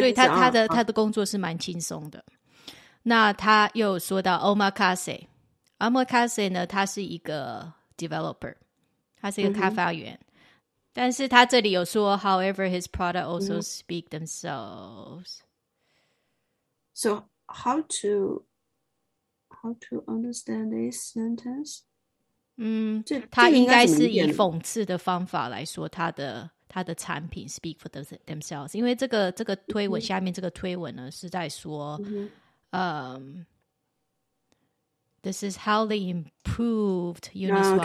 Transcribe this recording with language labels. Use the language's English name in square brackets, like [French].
[Chinese] 所以 他的工作是蛮轻松的。那他又说到 Omakase， Omakase 呢他是一个 developer， 他是一个开发员、嗯、但是他这里有说 [English] However his product also speak themselves、 [Chinese] 嗯、 [English] So how to understand this sentence？ [Chinese] 嗯，他应该是以讽刺的方法来说他的产品 [English] speak for themselves， [Chinese] 因为这个推文、嗯、下面这个推文呢是在说、嗯 [English] This is how they improved Uniswap、